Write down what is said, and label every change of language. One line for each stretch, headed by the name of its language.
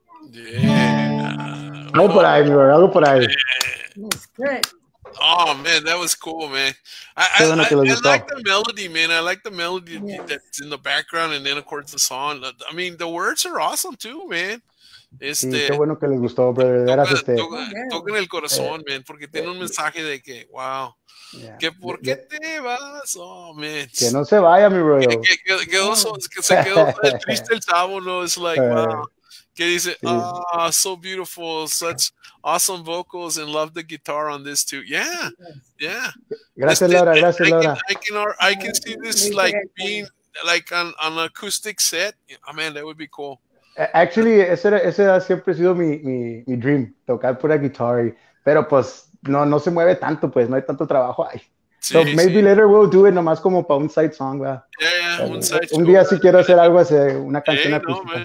English: Yeah.
Spanish: Algo por ahí, mi bro, algo por ahí.
English: Oh man, that was cool, man. I like the melody that's in the background, and then of course the song. I mean, the words are awesome too, man.
Spanish: Qué bueno que les gustó, brother. Toquen el corazón, man, porque tiene un mensaje de que, wow. Yeah. ¿Que por qué te vas? Oh, man. Que no se vaya, mi bro. Que se quedó triste el chavo, ¿no?
English: It's like, wow.
Spanish: Que dice, ah, sí.
English: Oh, so beautiful. Such awesome vocals and love the guitar on this too. Yeah. Yeah.
Spanish: Gracias, Laura. Gracias, Laura.
English: I can see this like being like an acoustic set. Oh, man, that would be cool.
Spanish: Actually, ese ha siempre sido mi dream, tocar pura guitarra. Pero pues no se mueve tanto, pues no hay tanto trabajo ahí.
English: Sí, so maybe later we'll do it
Spanish: nomás como para un
English: side song, ¿verdad? Yeah,
Spanish: un side song. Un día si quiero hacer algo así, una canción acústica.